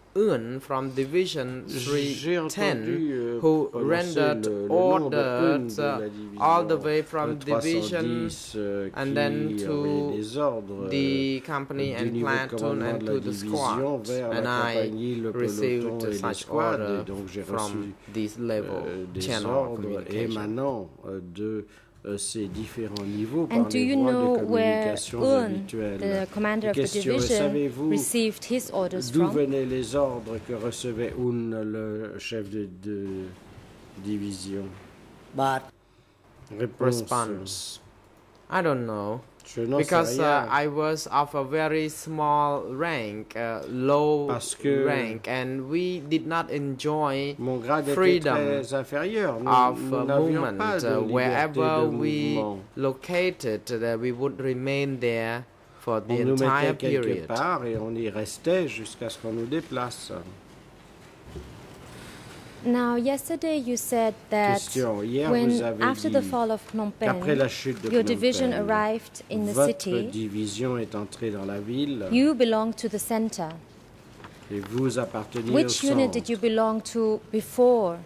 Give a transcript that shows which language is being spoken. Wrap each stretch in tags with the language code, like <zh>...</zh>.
<en>Un from Division 310 who rendered orders all the way from Division and then to the company and platoon and to the squad. And I received such orders from this level channel communication.</en> <fr>Ces différents niveaux par les voies de communication habituelles. Question, savez-vous d'où venaient les ordres que recevait Un, le chef de division?</fr> <en>But</en> <fr>réponse.</fr> <en>I don't know. I was of a very small rank, low rank, and we did not enjoy freedom of movement. Wherever we located, we would remain there for the entire period.</en> <fr>Part et on y restait jusqu'à ce qu'on nous déplace.</fr> <en>Now, yesterday you said that when, after the fall of Phnom Penh, your division arrived in the city,</en> <fr>division est entrée dans la ville,</fr> <en>you belong to the center.</en> <fr>Et vous apparteniez</fr> <en>Which</en> <fr>au</fr> <en>unit Did you belong to before</en>